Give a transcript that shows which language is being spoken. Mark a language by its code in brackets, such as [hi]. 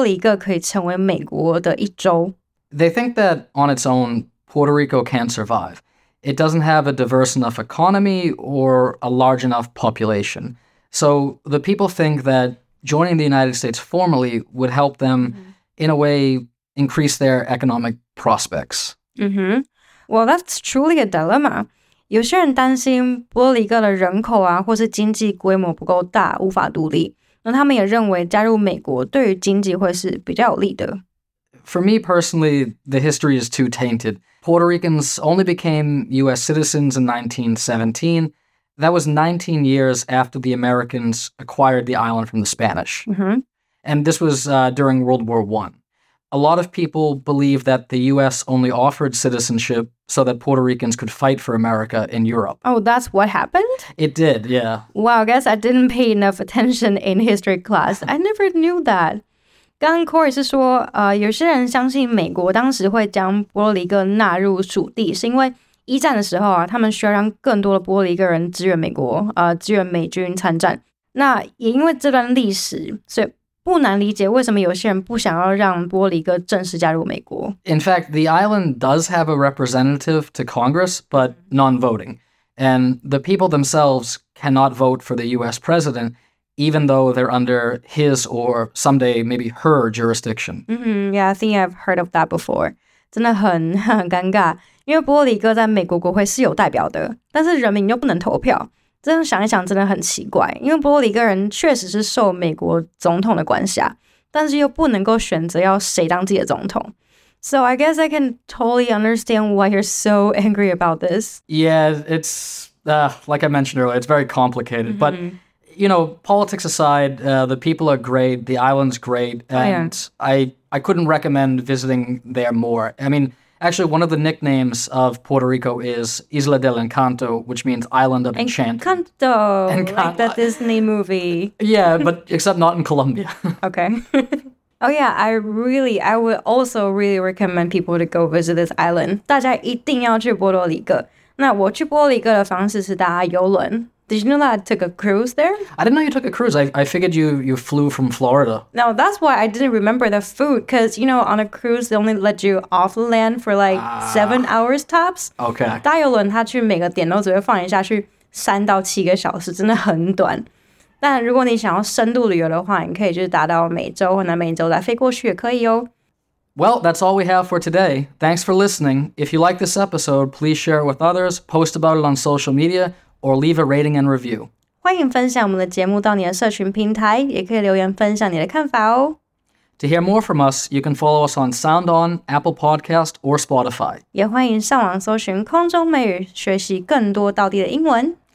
[zh] 那这样人民也才能够行使投票权。但是也有些人像Corey老师家人一样，希望波多黎各可以成为美国的一州。 [en] They think that on its own, Puerto Rico can't survive. It doesn't have a diverse enough economy or a large enough population. So the people think that joining the United States formally would help them, in a way, increase their economic prospects. Mm-hmm. Well, that's truly a dilemma. [zh] 有些人担心波多黎各的人口啊，或是经济规模不够大，无法独立。那他们也认为加入美国对于经济会是比较有利的。 [en] For me personally, the history is too tainted. Puerto Ricans only became U.S. citizens in 1917. That was 19 years after the Americans acquired the island from the Spanish. Mm-hmm. And this was during World War I. A lot of people believe that the U.S. only offered citizenship so that Puerto Ricans could fight for America in Europe. Oh, that's what happened? It did, yeah. Wow, I guess I didn't pay enough attention in history class. I never knew that. [zh] 刚刚 Corey 是说，有些人相信美国当时会将波多黎各纳入属地，是因为一战的时候啊，他们需要让更多的波多黎各人支援美国，支援美军参战。那也因为这段历史，所以不难理解为什么有些人不想要让波多黎各正式加入美国。 [en] In fact, the island does have a representative to Congress, but non-voting, and the people themselves cannot vote for the U.S. president. Even though they're under his or someday maybe her jurisdiction. Mm-hmm. Yeah, I think I've heard of that before. [zh] 真的很尴尬，因为波多黎各在美国国会是有代表的，但是人民又不能投票。这样想一想，真的很奇怪，因为波多黎各人确实是受美国总统的管辖，但是又不能够选择要谁当自己的总统。 [en] So I guess I can totally understand why you're so angry about this. Yeah, it's like I mentioned earlier, it's very complicated, but. You know, politics aside, the people are great, the island's great, and I couldn't recommend visiting there more. I mean, actually, one of the nicknames of Puerto Rico is Isla del Encanto, which means Island of Enchant. Encanto! Like that Disney movie. Yeah, but except not in Colombia. Okay. Oh yeah, I would also really recommend people to go visit this island. [zh] 大家一定要去波多黎各。那我去波多黎各的方式是搭游轮。 [en] Did you know that I took a cruise there? I didn't know you took a cruise. I figured you flew from Florida. No, that's why I didn't remember the food. Because, you know, on a cruise, they only let you off the land for like 7 hours tops. Okay. [zh] 大游轮它去每个点都只会放你下去3到7个小时，真的很短。但如果你想要深度旅游的话，你可以就是达到美洲或南美洲再飞过去也可以哦。 [en] Well, that's all we have for today. Thanks for listening. If you like this episode, please share it with others, post about it on social media,or leave a rating and review. [zh] 欢迎分享我们的节目到你的社群平台，也可以留言分享你的看法哦。 [en] To hear more from us, you can follow us on SoundOn, Apple Podcast, or Spotify. [zh] 也欢迎上网搜寻空中美语，学习更多道地的英文。